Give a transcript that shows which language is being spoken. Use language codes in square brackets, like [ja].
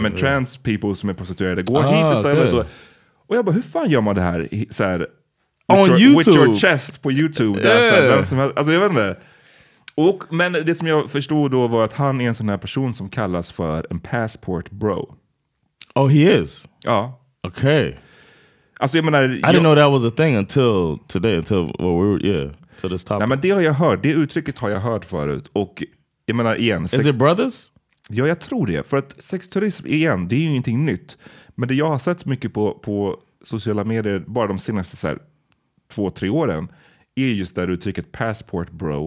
[sv] Men [en] trans people [sv] som är prostituerade. Gå hit istället. Okay. Och jag bara, hur fan gör man det här? Så här [en] on YouTube. With your chest på YouTube. Yeah. [sv] Här, vem som helst. Alltså jag vet inte. Och, men det som jag förstod då var att han är en sån här person som kallas för en passport bro. [en] Oh, he is? [sv] Ja. [en] Okay. [sv] Alltså, jag menar, [en] I didn't know that was a thing until today, until well, we were, yeah, to this topic. [sv] Nej, men det har jag hört. Det uttrycket har jag hört förut. Och jag menar igen, [en] is it brothers? [sv] Ja, jag tror det. För att sexturism igen, det är ju ingenting nytt. Men det jag har sett mycket på sociala medier bara de senaste så här, 2-3 åren är just det uttrycket passport bro.